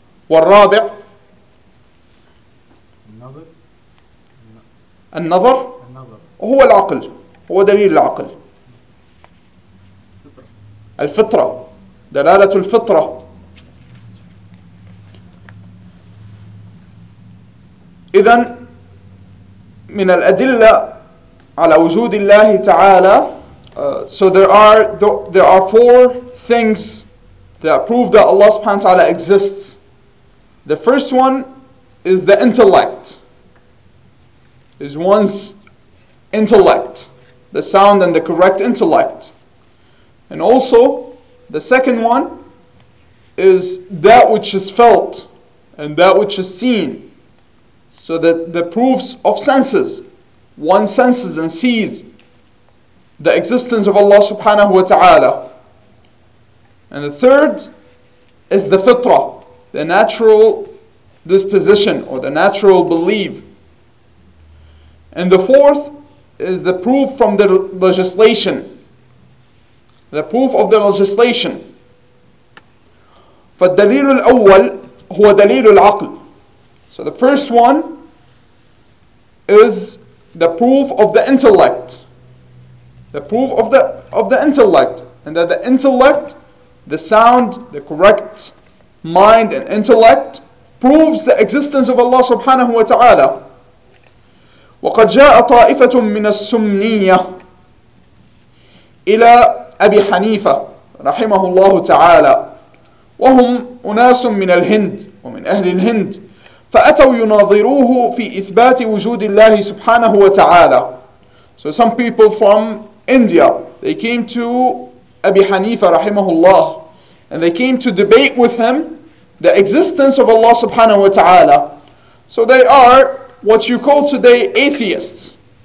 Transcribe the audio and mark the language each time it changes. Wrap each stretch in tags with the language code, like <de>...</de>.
<ar>والرابع النظر هو العقل، هو دليل العقل، الفطرة، دلالة الفطرة. إذن من الأدلة على وجود الله تعالى</ar> <en>so there are four things that prove that Allah</en> <ar>سبحانه وتعالى</ar> <en>exists. The first one is the intellect, is one's intellect, the sound and the correct intellect. And also the second one is that which is felt and that which is seen. So that the proofs of senses, one senses and sees the existence of Allah subhanahu wa ta'ala. And the third is the fitra, the natural disposition or the natural belief. And the fourth is the proof from the legislation, the proof of the legislation.</en> <ar>فالدليل الأول هو دليل العقل.</ar> <en>So the first one is the proof of the intellect, the proof of the intellect, and that the intellect, the sound, the correct mind and intellect proves the existence of Allah subhanahu wa ta'ala.</en> <ar>وقد جاء طائفة من السمنية إلى أبي حنيفة رحمه الله تعالى وهم أناس من الهند ومن أهل الهند فأتوا يناظروه في إثبات وجود الله سبحانه وتعالى.</ar> <en>So some people from India, they came to Abi Hanifa</en> <ar>رحمه الله</ar> <en>and they came to debate with him the existence of Allah</en> <ar>سبحانه وتعالى.</ar> <en>So they are what you call today atheists.</en>